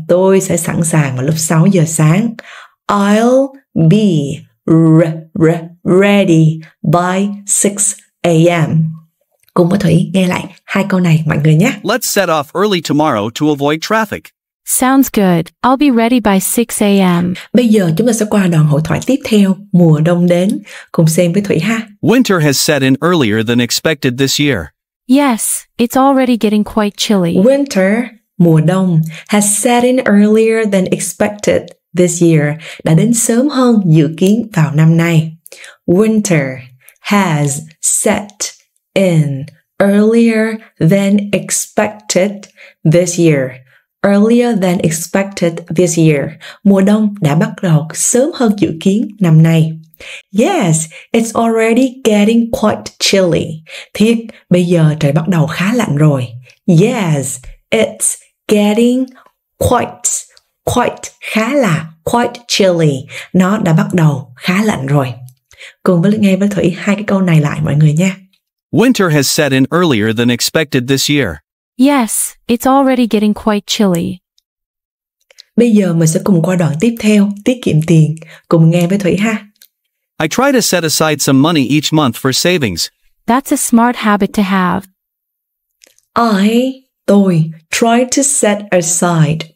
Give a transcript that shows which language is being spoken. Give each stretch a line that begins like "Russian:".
Vietnamese: Tôi sẽ sẵn sàng vào lúc 6 giờ sáng.
English: I'll be ready by 6 a.m.
Vietnamese: Cùng với Thủy nghe lại hai câu này mọi người nhé.
English: Let's set off early tomorrow to avoid traffic. Sounds good. I'll be ready by 6 a.m.
Vietnamese: Bây giờ chúng ta sẽ qua đoạn hội thoại tiếp theo. Mùa đông đến. Cùng xem với Thủy ha.
English: Winter has set in earlier than expected this year. Yes, it's already getting quite chilly. Winter,
Vietnamese: mùa đông,
English: has set in earlier than expected this year.
Vietnamese: Đã đến sớm hơn dự kiến vào năm nay.
English: Winter has set in earlier than expected this year. Earlier than expected this year.
Vietnamese: Mùa đông đã bắt đầu sớm hơn dự kiến năm nay.
English: Yes, it's already getting quite chilly.
Vietnamese: Thiệt, bây giờ trời bắt đầu khá lạnh rồi.
English: Yes, it's getting quite
Vietnamese: khá là
English: quite chilly.
Vietnamese: Nó đã bắt đầu khá lạnh rồi. Cùng với nghe với Thủy hai cái câu này lại mọi người nha.
English: Winter has set in earlier than expected this year. Yes, it's already getting quite chilly.
Vietnamese: Bây giờ mình sẽ cùng qua đoạn tiếp theo, tiết kiệm tiền. Cùng nghe với Thủy ha.
English: I try to set aside some money each month for savings. That's a smart habit to have. I try to set aside,